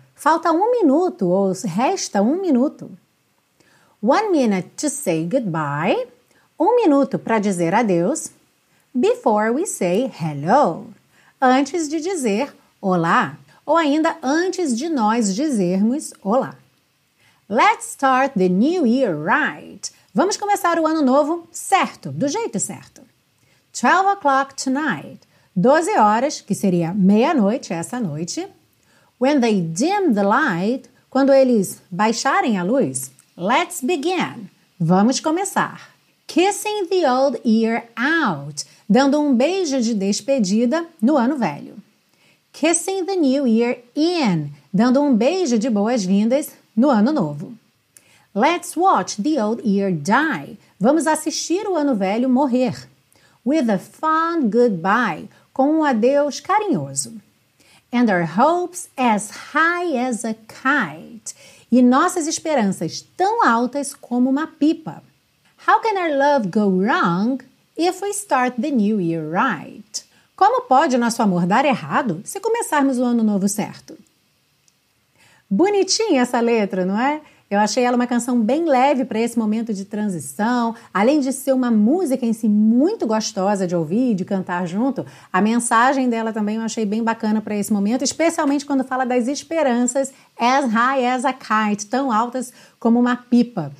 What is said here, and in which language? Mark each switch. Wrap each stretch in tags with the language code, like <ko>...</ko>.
<pt>Falta um minuto ou resta um minuto.</pt> <en>1 minute to say goodbye.</en> <pt>Um minuto para dizer adeus.</pt> <en>Before we say hello.</en> <pt>Antes de dizer olá. Ou ainda antes de nós dizermos olá.</pt> <en>Let's start the new year right.</en> <pt>Vamos começar o ano novo certo, do jeito certo.</pt> <en>12 o'clock tonight.</en> <pt>12 horas, que seria meia-noite, essa noite.</pt> <en>When they dim the light,</en> <pt>quando eles baixarem a luz.</pt> <en>Let's begin.</en> <pt>Vamos começar.</pt> <en>Kissing the old year out.</en> <pt>Dando um beijo de despedida no ano velho.</pt> <en>Kissing the new year in.</en> <pt>Dando um beijo de boas-vindas no ano novo.</pt> <en>Let's watch the old year die.</en> <pt>Vamos assistir o ano velho morrer.</pt> <en>With a fond goodbye.</en> <pt>Com um adeus carinhoso.</pt> <en>And our hopes as high as a kite.</en> <pt>E nossas esperanças tão altas como uma pipa.</pt> <en>How can our love go wrong if we start the new year right?</en> <pt>Como pode o nosso amor dar errado se começarmos o ano novo certo? Bonitinha essa letra, não é? Eu achei ela uma canção bem leve para esse momento de transição. Além de ser uma música em si muito gostosa de ouvir e de cantar junto, a mensagem dela também eu achei bem bacana para esse momento, especialmente quando fala das esperanças</pt> <en>as high as a kite,</en> <pt>tão altas como uma pipa.</pt>